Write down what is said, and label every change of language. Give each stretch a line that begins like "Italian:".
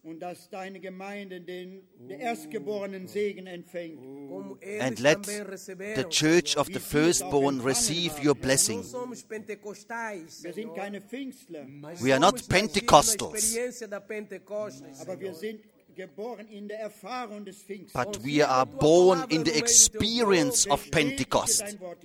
German: Und dass deine Gemeinde den erstgeborenen Segen empfängt.
English: And let the church of the firstborn receive Your blessing.
German: Wir sind keine Pfingstler.
English: We are not Pentecostals.
German: Aber wir sind geboren in der Erfahrung des Pfingstes.
English: But we are born in the experience of Pentecost.